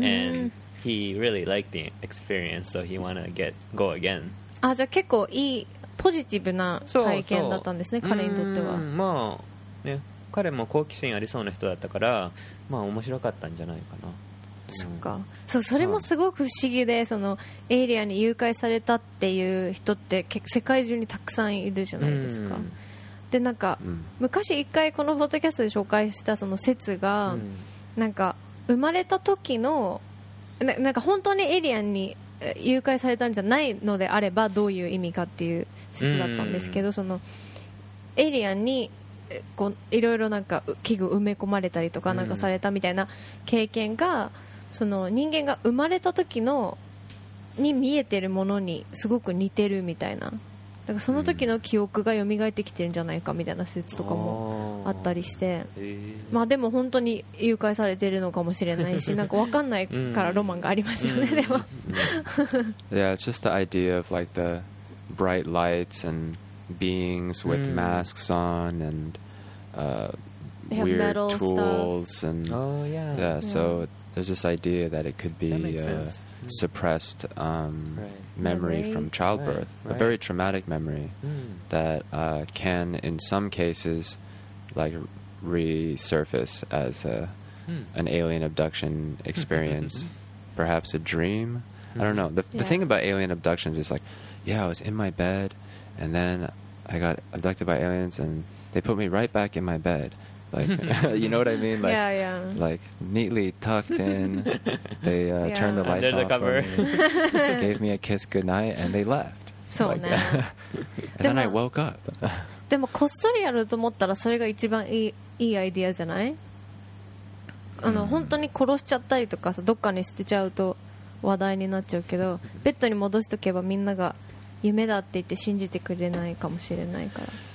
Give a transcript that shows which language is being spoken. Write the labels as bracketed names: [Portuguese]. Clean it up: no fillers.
[English] And he really liked the experience, so he wanted to go again. [Japanese] あ、じゃあ結構いいポジティブな体験だったんですね、そうそう、彼にとっては。うん、まあね、彼も好奇心ありそうな人だったから、まあ面白かったんじゃないかな。そっか、うん、そう、それもすごく不思議で、そのエイリアンに誘拐されたっていう人って世界中にたくさんいるじゃないですか。でなんか、うん、昔一回このポッドキャストで紹介したその説が、うん、なんか生まれた時の なんか本当にエイリアンに誘拐されたんじゃないのであればどういう意味かっていう説だったんですけど、うん、そのエイリアンにこういろいろなんか器具埋め込まれたりとかなんかされたみたいな経験が、うん、その人間が生まれた時のに見えてるものにすごく似てるみたいな、だからその時の記憶が蘇ってきてるんじゃないかみたいな説とかもあったりして、まあでも本当に誘拐されてるのかもしれないし、なんか分かんないからロマンがありますよね、でも。 [English] Yeah, it's just the idea of like the bright lights and beings with masks on and weird metal tools stuff. And yeah. So there's this idea that it could be suppressed memory from childbirth, right. A very traumatic memory that can in some cases like resurface as an alien abduction experience, perhaps a dream. I don't know. The thing about alien abductions is like, yeah, I was in my bed and then I got abducted by aliens and they put me right back in my bed. Like, you know what I mean? Like, like neatly tucked in. They turned the lights under the off cover. For me, gave me a kiss goodnight, and they left. So like, and then I woke up. [Japanese] でもこっそりやると思ったらそれが一番いいアイデアじゃない？あの、本当に殺しちゃったりとかさ、どっかに捨てちゃうと話題になっちゃうけど、ベッドに戻しとけばみんなが夢だって言って信じてくれないかもしれないから。